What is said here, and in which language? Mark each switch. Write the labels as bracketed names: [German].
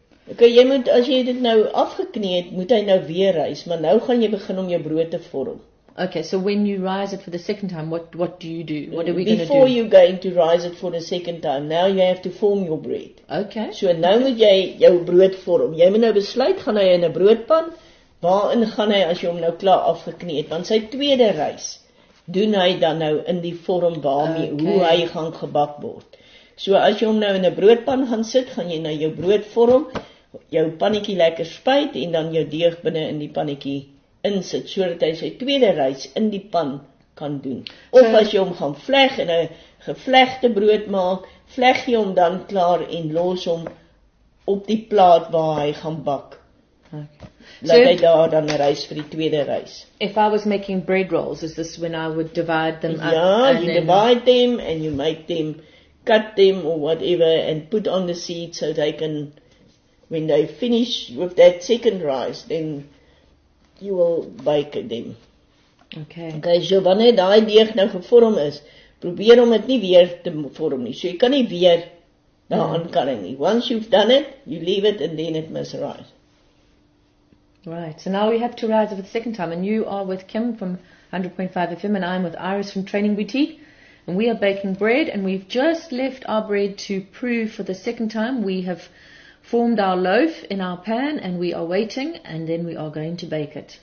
[Afrikaans] Okay, jy moet, as jy dit nou afgeknie het, moet hy nou weer rys, maar nou gaan jy begin om jou brood te vorm. [English] Okay, so when you rise it for the second time, what do you do? What are we going to do? Before you're going to rise it for the second time, now you have to form your bread. Okay. [Afrikaans] So nou moet jy jou brood vorm. Jy moet nou besluit, gaan hy in 'n broodpan, waarin gaan hy as jy hom nou klaar afgeknie het, want sy tweede rys doen hy dan nou in die vorm waarmee, okay, hoe hy gaan gebak word. So as jy hom nou in 'n broodpan gaan sit, gaan jy nou jou brood vorm, jou pannetjie lekker spuit en dan jou deeg binne in die pannetjie insit sodat hy sy tweede rys in die pan kan doen. Of as jy hom gaan vleg en 'n gevlegde brood maak, vleg jy hom dan klaar en los hom op die plaat waar hy gaan bak. Okay. Laat hy daar dan rys vir die tweede rys. [English] If I was making bread rolls, is this when I would divide them up? Ja, you divide them and you make them, cut them or whatever and put on the seed so they can, when they finish with that second rise, then you will bake them. Okay. [Afrikaans] Okay, so wanneer daai deeg nou gevorm is, probeer om dit nie weer te vorm nie. So jy kan nie weer daaraan kan nie. [English] Once you've done it, you leave it and then it must rise. Right, so now we have to rise for the second time and you are with Kim from 100.5 FM and I'm with Iris from Training Boutique. And we are baking bread and we've just left our bread to prove for the second time. We have formed our loaf in our pan and we are waiting and then we are going to bake it.